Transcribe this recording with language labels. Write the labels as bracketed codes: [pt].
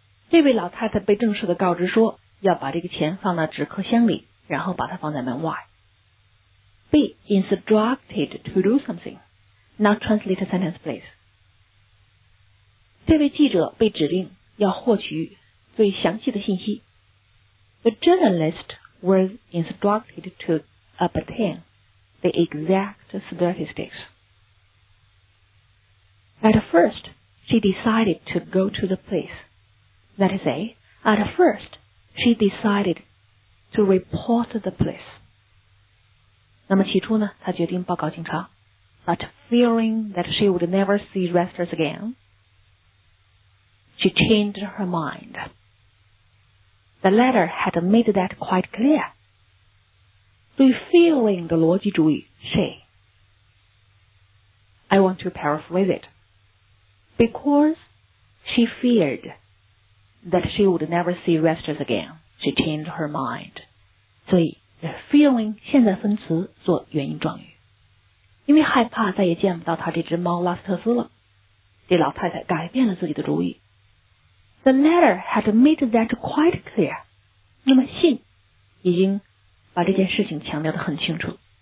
[zh] 这位老太太被正式的告知说要把这个钱放到纸壳箱里然后把它放在门外。 [en] Be instructed to do something. Now translate the sentence, please. [zh] 这位记者被指令要获取最详细的信息。 [en] The journalist was instructed to obtain the exact statistics. At first, she decided to go to the police. That is, at first, she decided to report the police. [zh] 那么起初呢，她决定报告警察。 [en] But fearing that she would never see Resters again,She changed her mind. The letter had made that quite clear. Be feeling the 逻辑主义 say. I want to paraphrase it. Because she feared that she would never see Resters again, she changed her mind. [zh] 所以 [en] the feeling [zh] 现在分词做原因状语。因为害怕再也见不到她这只猫拉斯特斯了。这老太太改变了自己的主意。 [en] The letter had made that quite clear. [zh] 那么信已经把这件事情强调得很清楚。